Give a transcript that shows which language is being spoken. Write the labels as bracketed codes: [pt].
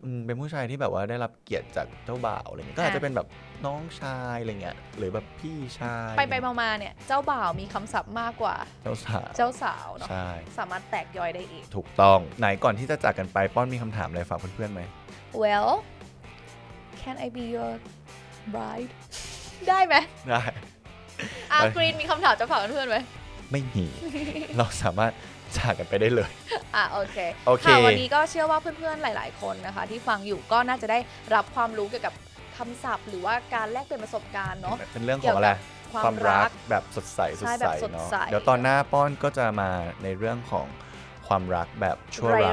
[th] เป็นผู้ชายที่แบบว่าได้รับเกียรติจากเจ้าบ่าวอะไรเงี้ยก็อาจจะเป็นแบบน้องชายอะไรเงี้ยหรือแบบพี่ชาย ไปไปมาเนี่ยเจ้าบ่าวมีคำศัพท์มากกว่า เจ้าสาว เจ้าสาวเนาะ ใช่ สามารถแตกย่อยได้อีก ถูกต้องไหนก่อนที่จะจากกันไปป้อนมีคำถามอะไรฝากเพื่อนๆไหม [en] Well can I be your bride [th] ได้ไหม ได้อากรีนมีคำถามจะฝากเพื่อนไหม ไม่มีเราสามารถจากกันไปได้เลย โอเค โอเควันนี้ก็เชื่อว่าเพื่อนๆหลายๆคนนะคะที่ฟังอยู่ก็น่าจะได้รับความรู้เกี่ยวกับคำศัพท์หรือว่าการแลกเปลี่ยนประสบการณ์เนาะ เป็นเรื่องของอะไรความรักแบบสดใสสดใสเนาะเดี๋ยวตอนหน้าป้อนก็จะมาในเรื่องของความรักแบบชั่ว